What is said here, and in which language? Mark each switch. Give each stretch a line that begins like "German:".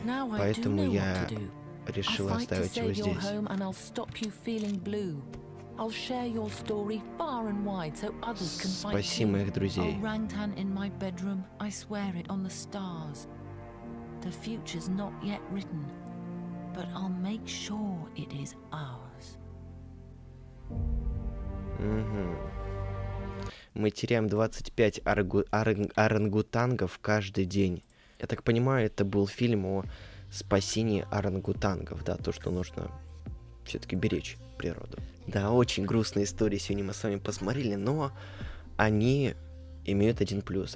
Russian: И now поэтому я решила оставить его здесь.
English: Home, and I'll stop you feeling blue. I'll share your story far and wide so others can find you.
Russian: Спаси моих друзей.
English: Orangutan in my bedroom. I swear it on the stars. The future's not yet written, but I'll make sure it is ours.
Russian: Мы теряем 25 орангутангов каждый день. Я так понимаю, это был фильм о спасении орангутангов, да, то, что нужно все-таки беречь природу. Да, очень грустные истории сегодня мы с вами посмотрели, но они имеют один плюс.